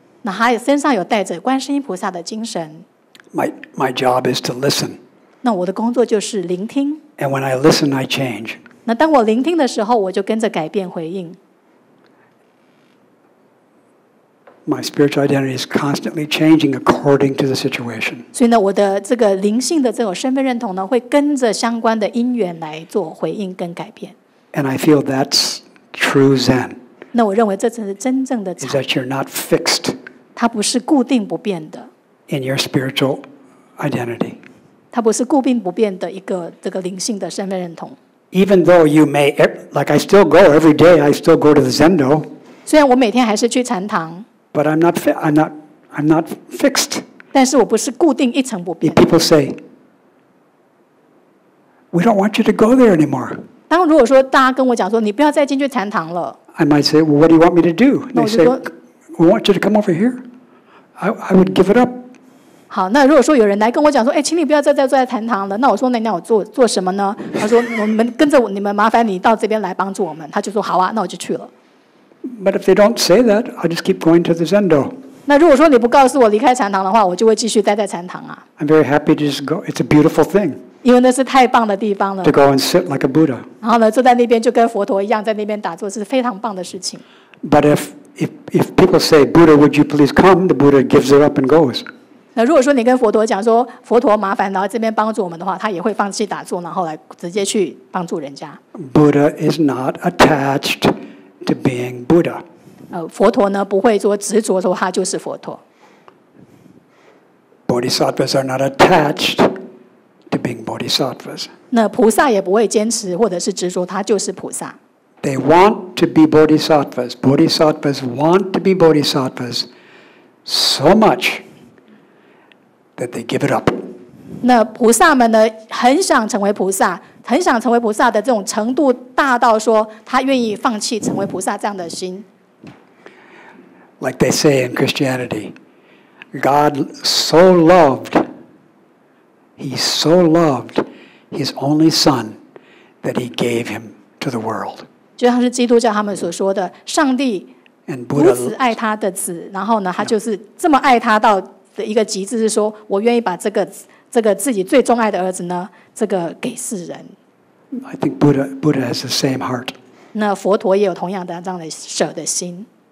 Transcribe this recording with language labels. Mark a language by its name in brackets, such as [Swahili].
[Chinese] 那他身上有带着观世音菩萨的精神。 [English] My job is to listen. [Chinese] 那我的工作就是聆听。 [English] And when I listen, I change. [Chinese] 那当我聆听的时候，我就跟着改变回应。 [English] My spiritual identity is constantly changing according to the situation. [Chinese] 所以呢，我的这个灵性的这种身份认同呢，会跟着相关的因缘来做回应跟改变。 [English] And I feel that's true Zen. [Chinese] 那我认为这才是真正的禅。 [English] Is that you're not fixed? [Chinese] 它不是固定不变的。 [English] In your spiritual identity. [Chinese] 它不是固定不变的一个这个灵性的身份认同。 [English] Even though you may, like I still go every day, I still go to the Zendo. [Chinese] 虽然我每天还是去禅堂。 [English] But I'm not fixed. [Chinese] 但是我不是固定一成不变。 [English] If people say, we don't want you to go there anymore. [Chinese] 当如果说大家跟我讲说你不要再进去禅堂了。 [English] I might say, well, what do you want me to do? They say, we want you to come over here. I would give it up. [Chinese] 好，那如果说有人来跟我讲说，哎，请你不要再坐在禅堂了，那我说，那我做什么呢？他说，我们跟着我，你们麻烦你到这边来帮助我们。他就说，好啊，那我就去了。 [English] But if they don't say that, I just keep going to the Zendo. [Chinese] 那如果说你不告诉我离开禅堂的话，我就会继续待在禅堂啊。 [English] I'm very happy to just go. It's a beautiful thing. [Chinese] 因为那是太棒的地方了。 [English] To go and sit like a Buddha. [Chinese] 然后呢，坐在那边就跟佛陀一样，在那边打坐是非常棒的事情。 [English] But if people say, Buddha, would you please come? The Buddha gives it up and goes. [Chinese] 那如果说你跟佛陀讲说佛陀麻烦然后这边帮助我们的话他也会放弃打坐然后来直接去帮助人家。 [English] Buddha is not attached to being Buddha. [Chinese] 佛陀呢不会说执着说他就是佛陀。 [English] Bodhisattvas are not attached to being Bodhisattvas. [Chinese] 那菩萨也不会坚持或者是执着他就是菩萨。 [English] They want to be Bodhisattvas. Bodhisattvas want to be Bodhisattvas so much. That they give it up. [Chinese] 那菩萨们呢，很想成为菩萨，很想成为菩萨的这种程度大到说，他愿意放弃成为菩萨这样的心。 [English] Like they say in Christianity, God so loved, He so loved His only Son that He gave Him to the world. [Chinese] 就像是基督教他们所说的，上帝如此爱他的子，然后呢，他就是这么爱他到的一个极致，是说我愿意把这个自己最钟爱的儿子呢，这个给世人。 [English] I think Buddha has the same heart. [Chinese] 那佛陀也有同样的这样的舍的心。